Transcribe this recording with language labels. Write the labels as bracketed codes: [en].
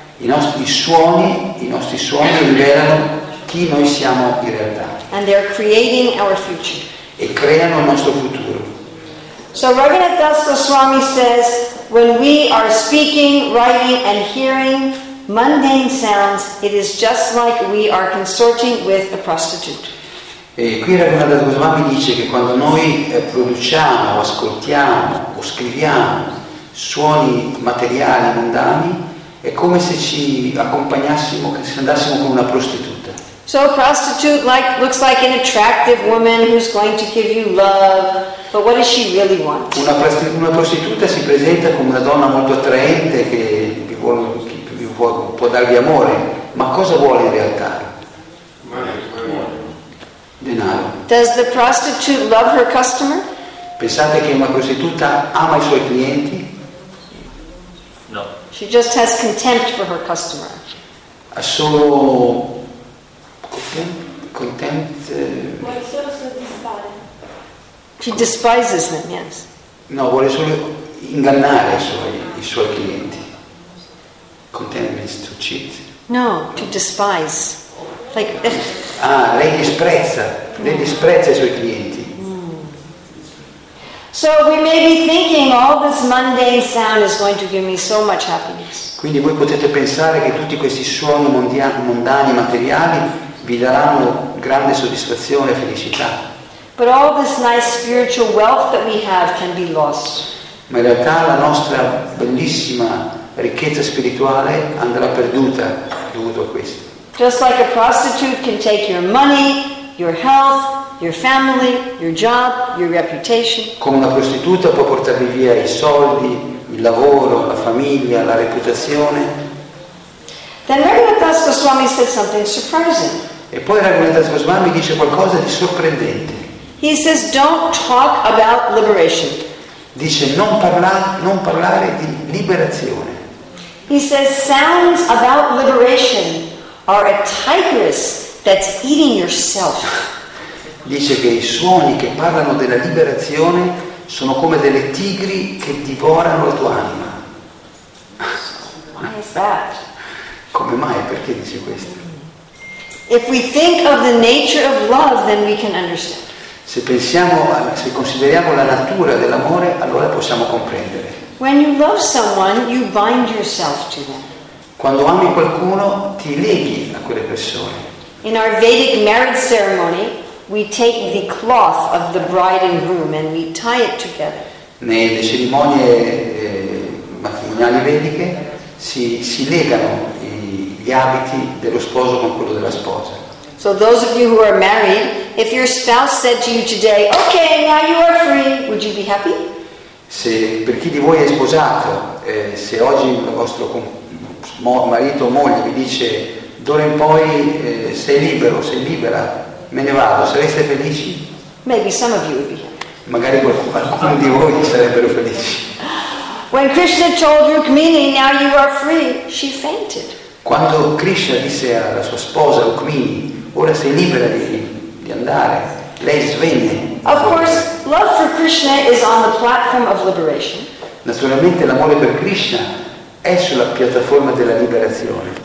[it] I nostri suoni rivelano chi noi siamo in realtà. [en] And they're creating our future. [it] E creano il nostro futuro. [en] So Raghunath Das Goswami says, when we are speaking, writing, and hearing mundane sounds, it is just like we are consorting with a prostitute. [it] E qui Raghunath Das Goswami dice che quando noi produciamo, ascoltiamo o scriviamo suoni materiali mondani, è come se ci accompagnassimo, se andassimo con una prostituta. [en] So a prostitute looks like an attractive woman who's going to give you love, but what does she really want? [it] Una prostituta si presenta come una donna molto attraente che può darvi amore, ma cosa vuole in realtà? Denaro. [en] Does the prostitute love her customer? [it] Pensate che una prostituta ama i suoi clienti? No. [en] She just has contempt for her customer. [it] Ha solo contempt. Vuole solo soddisfare. [en] She despises them, yes. [it] No, vuole solo ingannare i suoi clienti. [en] Contempt means to cheat. No, to despise. Like. [it] Ah, lei disprezza. Lei disprezza i suoi clienti. [en] So we may be thinking all this mundane sound is going to give me so much happiness. [it] Quindi voi potete pensare che tutti questi suoni mondani, materiali, vi daranno grande soddisfazione e felicità. [en] But all this nice spiritual wealth that we have can be lost. [it] Ma in realtà la nostra bellissima ricchezza spirituale andrà perduta dovuto a questo. [en] Just like a prostitute can take your money, your health, your family, your job, your reputation. [it] Come una prostituta può portarvi via i soldi, il lavoro, la famiglia, la reputazione. [en] Then Raghunath Das Goswami said something surprising. [it] E poi Raghunath Das Goswami dice qualcosa di sorprendente. [en] He says, "Don't talk about liberation." [it] Dice non parlare di liberazione. [en] He says, "Sounds about liberation are a tigress that's eating yourself." [it] Dice che i suoni che parlano della liberazione sono come delle tigri che divorano la tua anima. [en] Why is that? [it] Come mai? Perché dice questo? [en] If we think of the nature of love, then we can understand. [it] Se consideriamo la natura dell'amore, allora possiamo comprendere. [en] When you love someone, you bind yourself to them. [it] Quando ami qualcuno, ti leghi a quelle persone. [en] In our Vedic marriage ceremony, we take the cloth of the bride and groom and we tie it together. [it] Nelle cerimonie matrimoniali vediche si legano gli abiti dello sposo con quello della sposa. [en] So those of you who are married, if your spouse said to you today, "Okay, now you are free," would you be happy? [it] Se per chi di voi è sposato, se oggi il vostro marito o moglie vi dice d'ora in poi sei libero, sei libera, me ne vado, sareste felici? [en] Maybe some of you would be. [it] Magari alcuni di voi sarebbero felici. [en] When Krishna told Rukmini, "Now you are free," she fainted. [it] Quando Krishna disse alla sua sposa Rukmini, "Ora sei libera di andare," lei svenne. [en] Of course, love for Krishna is on the platform of liberation. [it] Naturalmente l'amore per Krishna è sulla piattaforma della liberazione.